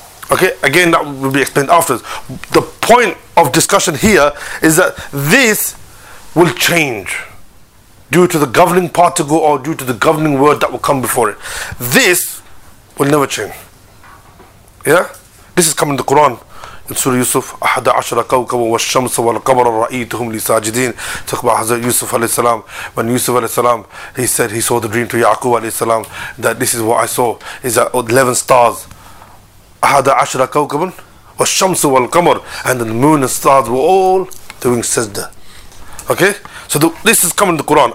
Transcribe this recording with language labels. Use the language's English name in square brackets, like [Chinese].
[English] Okay, again that will be explained afterwards. The point of discussion here is that this will change due to the governing particle or due to the governing word that will come before it. This will never change. Yeah? This is coming in the Quran. In Surah Yusuf, [Arabic] أحد عشر كوكب والشمس والقمر رأيتهم لساجدين. [English] Talk about Hazrat Yusuf alayhi salam. When Yusuf alayhi salam, he said he saw the dream to Yaqub alayhi salam, that this is what I saw, is that 11 stars. [Arabic] أحد عشر كوكب والشمس والقمر, [English] and the moon and stars were all doing sajda. Okay, so this is coming in the Quran.